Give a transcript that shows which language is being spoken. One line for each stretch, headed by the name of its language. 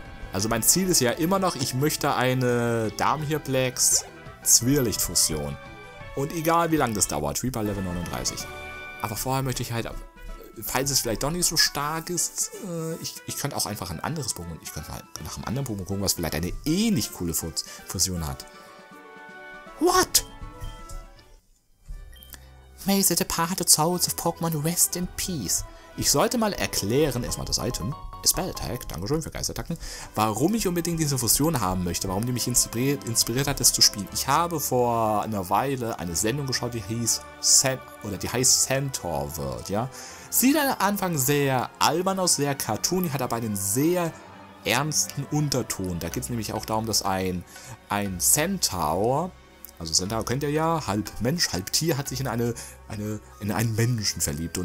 German: Also mein Ziel ist ja immer noch, ich möchte eine Darmhirplex-Zwielicht-Fusion. Und egal wie lange das dauert, wie bei Level 39. Aber vorher möchte ich halt, falls es vielleicht doch nicht so stark ist, ich könnte auch einfach ein anderes Pokémon, ich könnte mal nach einem anderen Pokémon gucken, was vielleicht eine ähnlich coole Fusion hat.
English: What? May the departed souls of Pokémon rest in peace.
German: Ich sollte mal erklären, erstmal das Item, Spell Attack, Dankeschön für Geistattacken, warum ich unbedingt diese Fusion haben möchte, warum die mich inspiriert hat, das zu spielen. Ich habe vor einer Weile eine Sendung geschaut, die heißt Centaur World, ja. Sieht am Anfang sehr albern aus, sehr cartoony, hat aber einen sehr ernsten Unterton. Da geht es nämlich auch darum, dass ein Centaur, also Centaur kennt ihr ja, halb Mensch, halb Tier, hat sich in einen Menschen verliebt.